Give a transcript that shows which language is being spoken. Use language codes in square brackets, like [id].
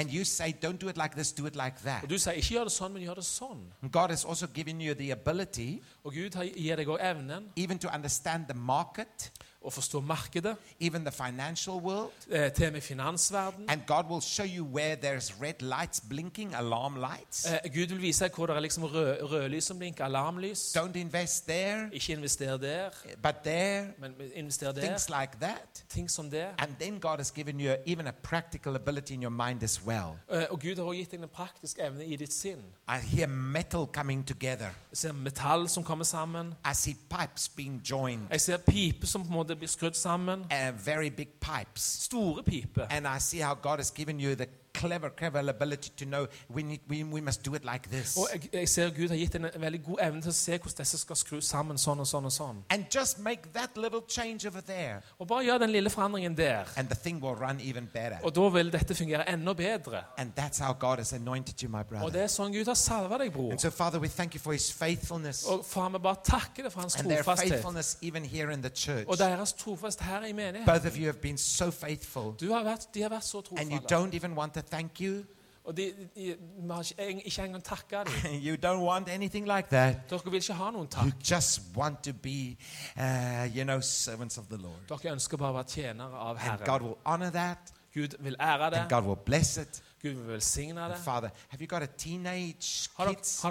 [en] and you say don't do it like this do it like that [no] og du sier ikke gjør det sånn men gjør det sånn [en] God has also given you the ability [no] og Gud har gir deg også evnen [en] even to understand the market [no] og forstå markedet [en] even the financial world [no] til med finansverden [en] and God will show you where there's red lights blinking alarm lights [no] Gud vil vise deg hvor det liksom rødlys som blinker alarmlys [en] don't invest there [no] ikke investere der [en] but there [no] men investere der [en] things like that [no] ting som der [en] and then God has given you even a practical ability in your mind as well [no] og Gud har gitt deg en praktisk evne I ditt sinn [en] I hear metal coming together [no] jeg ser metall som kommer sammen [en] I see pipes being joined [no] jeg ser pipe som på det blir skrudd sammen [en] very big pipes [no] store pipe [en] and I see how God has given you the clever ability to know we must do it like this [no] og jeg ser Gud har gitt en veldig god evne til å se hvordan disse skal skru sammen sånn og sånn og sånn [en] and just make that little change over there [no] og bare gjør den lille forandringen der [en] and the thing will run even better [no] og da vil dette fungere enda bedre [en] and that's how God has anointed you my brother [no] og det sånn Gud har salvet deg bror [en] and so Father we thank you for his faithfulness [no] og far vi bare takker deg for hans trofasthet [en] and their faithfulness even here in the church [no] og deres trofasthet her I menigheten [en] both of you have been so faithful [no] du har vært, de har vært så trofaste [en] and you don't even want to thank you you don't want anything like that you just want to be you know servants of the Lord and God will honor that and God will bless it and Father have you got a teenage kids